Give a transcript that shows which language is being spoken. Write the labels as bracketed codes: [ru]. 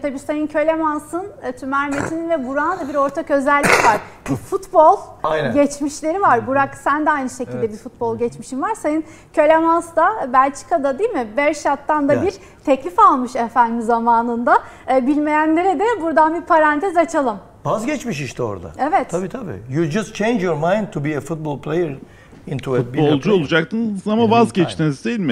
[tr] Tabii Sayın Köleman'sın, Tümer Metin'in ve Burak'ın da bir ortak özellik var. Bir futbol aynen geçmişleri var. Burak sen de aynı şekilde, evet, bir futbol geçmişin var. Sayın Köleman da Belçika'da değil mi? Berşat'tan da, evet, bir teklif almış efendim zamanında. Bilmeyenlere de buradan bir parantez açalım. Vazgeçmiş işte orada. Evet. Tabii tabii. [en] You just change your mind to be a football player into a billiard player. [tr] Futbolcu olacaktınız ama vazgeçtiniz değil mi?